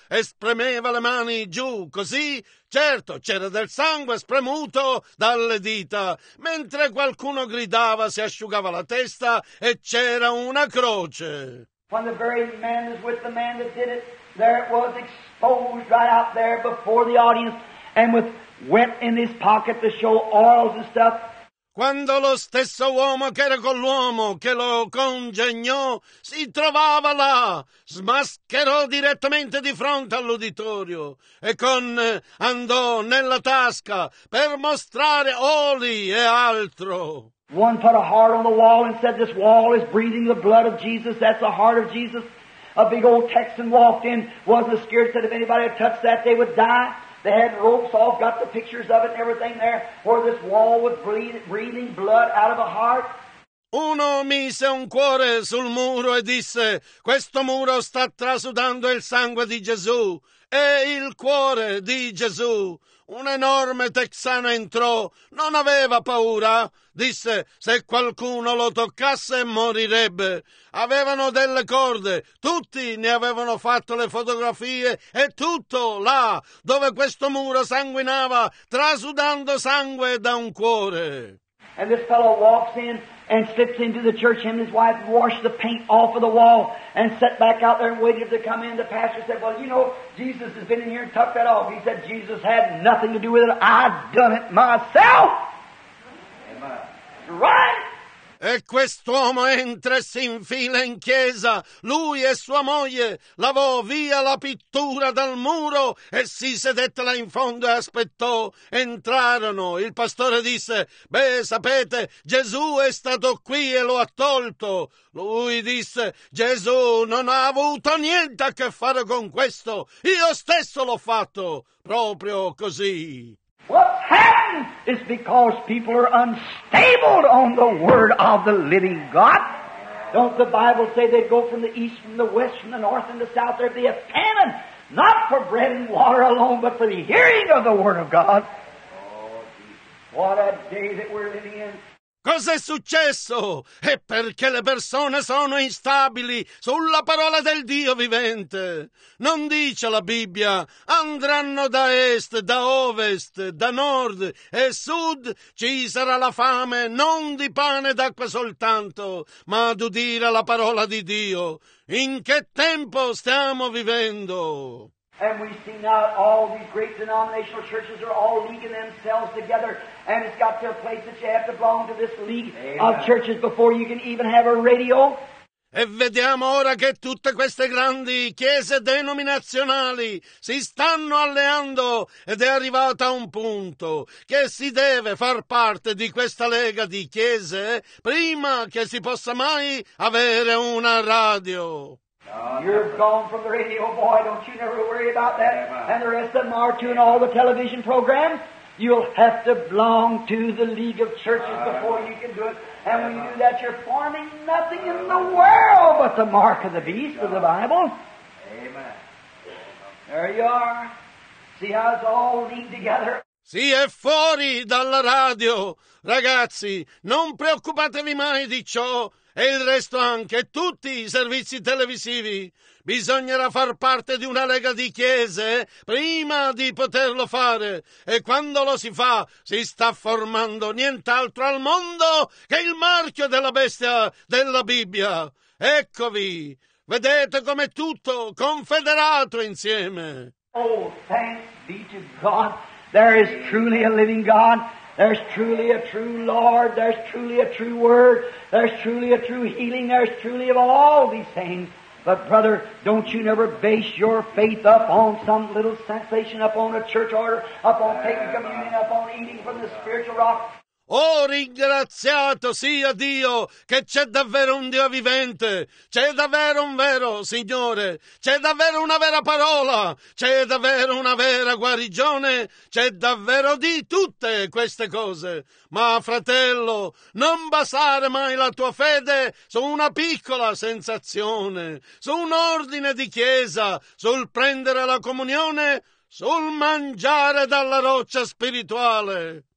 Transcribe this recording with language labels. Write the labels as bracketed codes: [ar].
[it] E spremeva le mani giù, così. Certo, c'era del sangue spremuto dalle dita. Mentre qualcuno gridava, si asciugava la testa e c'era una croce. [en] When the very man was with the man that did it, there it was exposed right out there before the audience and with wet in his pocket to show oils and stuff. [it] Quando lo stesso uomo che era con l'uomo che lo congegnò si trovava là, smascherò direttamente di fronte all'uditorio e andò nella tasca per mostrare oli e altro. [en] One put a heart on the wall and said, this wall is breathing the blood of Jesus. That's the heart of Jesus. A big old Texan walked in, wasn't scared, said if anybody had touched that, they would die. They had ropes off, got the pictures of it and everything there, where this wall was breathing blood out of a heart. [it] Uno mise un cuore sul muro e disse, questo muro sta trasudando il sangue di Gesù. E il cuore di Gesù. Un enorme texano entrò, non aveva paura, disse, se qualcuno lo toccasse morirebbe. Avevano delle corde, tutti ne avevano fatto le fotografie e tutto là, dove questo muro sanguinava, trasudando sangue da un cuore. [en] And this fellow walks in and slips into the church, him and his wife washed the paint off of the wall and sat back out there and waited to come in. The pastor said, well, you know, Jesus has been in here and tucked that off. He said, Jesus had nothing to do with it. I've done it myself. Right? [it] E quest'uomo entra e si infila in chiesa, lui e sua moglie, lavò via la pittura dal muro e si sedette là in fondo e aspettò. Entrarono, il pastore disse, beh, sapete, Gesù è stato qui e lo ha tolto. Lui disse, Gesù non ha avuto niente a che fare con questo, io stesso l'ho fatto, proprio così. [en] What's happened is because people are unstable on the word of the living God. Don't the Bible say they go from the east, from the west, from the north, and the south? There'd be a famine, not for bread and water alone, but for the hearing of the word of God. Oh, what a day that we're living in. [it] Cos'è successo? È perché le persone sono instabili sulla parola del Dio vivente. Non dice la Bibbia, andranno da est, da ovest, da nord e sud, ci sarà la fame non di pane ed acqua soltanto, ma ad udire la parola di Dio. In che tempo stiamo vivendo? [en] And we see now all these great denominational churches are all leaguing themselves together. And it's got to a place that you have to belong to this league Amen. Of churches before you can even have a radio. [it] E vediamo ora che tutte queste grandi chiese denominazionali si stanno alleando ed è arrivata a un punto che si deve far parte di questa lega di chiese prima che si possa mai avere una radio. [en] You're gone from the radio, boy. Don't you never worry about that. And the rest of them are too, and all the television programs. You'll have to belong to the League of Churches before you can do it. And when you do that, you're forming nothing in the world but the mark of the beast of the Bible. Amen. There you are. See how it's all linked together. [it] Sì, è fuori dalla radio. Ragazzi, non preoccupatevi mai di ciò. E il resto anche, tutti i servizi televisivi. Bisognerà far parte di una lega di chiese prima di poterlo fare. E quando lo si fa, si sta formando nient'altro al mondo che il marchio della bestia della Bibbia. Eccovi, vedete com'è tutto confederato insieme. [en] Oh, thanks be to God, there is truly a living God. There's truly a true Lord, there's truly a true Word, there's truly a true healing, there's truly of all these things. But brother, don't you never base your faith up on some little sensation, up on a church order, up on taking communion, up on eating from the spiritual rock. [it] Oh, ringraziato sia Dio che c'è davvero un Dio vivente, c'è davvero un vero Signore, c'è davvero una vera parola, c'è davvero una vera guarigione, c'è davvero di tutte queste cose. Ma, fratello, non basare mai la tua fede su una piccola sensazione, su un ordine di chiesa, sul prendere la comunione, sul mangiare dalla roccia spirituale.